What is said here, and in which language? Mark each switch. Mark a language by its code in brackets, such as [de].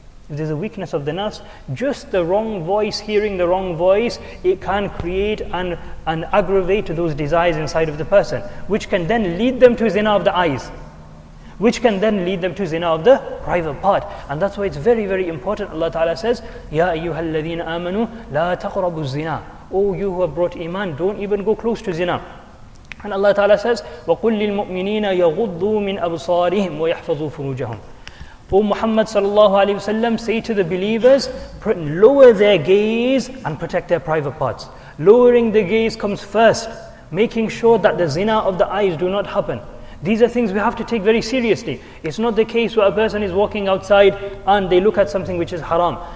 [en] If there's a weakness of the nafs, just the wrong voice, hearing the wrong voice, it can create and aggravate those desires inside of the person, which can then lead them to zina of the eyes, which can then lead them to zina of the private part. And that's why it's very, very important. Allah Ta'ala says, [ar] Ya ayyuhal ladhina amanu, la taqrabu zina. [en] O you who have brought iman, don't even go close to zina. And Allah Ta'ala says, [ar] وَقُلْ لِلْمُؤْمِنِينَ يَغُضُّوا مِنْ أَبْصَارِهِمْ وَيَحْفَظُوا فُرُوجَهُمْ. [en] O Muhammad sallallahu alayhi wa sallam, say to the believers, lower their gaze and protect their private parts. Lowering the gaze comes first, making sure that the zina of the eyes do not happen. These are things we have to take very seriously. It's not the case where a person is walking outside and they look at something which is haram.